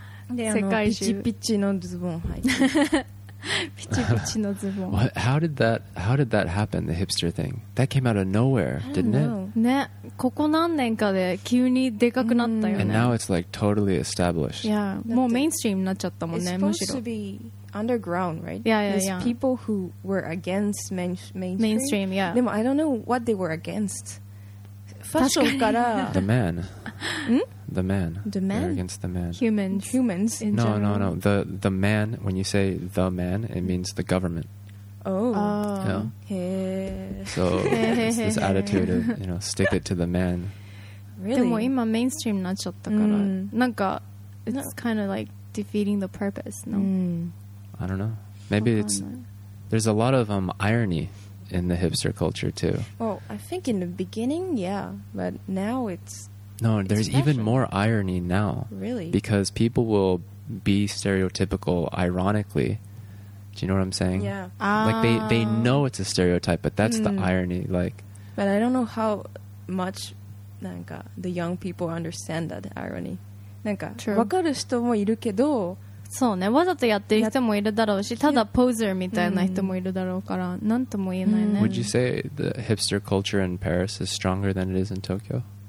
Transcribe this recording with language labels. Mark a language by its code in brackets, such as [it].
[ja] で、世界中ピチピチのズボン履いて。ピチピチのズボン。 [en] How did that happen? The hipster thing that came out of nowhere, didn't it? [ja] ね、ここ何年かで急にでかくなったよね。 [en] And now it's like totally established. [ja] Yeah, もうメインストリームになっちゃったもんね。 [en] It's supposed to be underground, right? Yeah. There's people who were against mainstream. Mainstream, yeah. [ja] でも [en] I don't know what they were against. [ja] ファッションから [en] The man ん? The man The man? They're against the man Humans No, no, no The man When you say the man It means the government Oh Yeah So it's this attitude of You know Stick it to the man Really? [ja] でも今メインストリームになっちゃったから、mm. なんか [en] It's no. kind of like Defeating the purpose No mm. I don't know Maybe it's There's a lot of irony In the hipster culture too. Well, I think in the beginning, yeah, but now it's no. There's it's even more irony now. Really? Because people will be stereotypical ironically. Do you know what I'm saying? Yeah. Like they know it's a stereotype, but that's the irony. Like. But I don't know how much, [ja] なんか [en] the young people understand that irony. [ja] なんか [en] True. [ja] わかる人もいるけど。そうね、わざとやってる人もいるだろうし、ただポーザーみたいな人もいるだろうから、なんとも言えないね。 [en] Would you say the hipster culture in Paris is stronger than it is in Tokyo?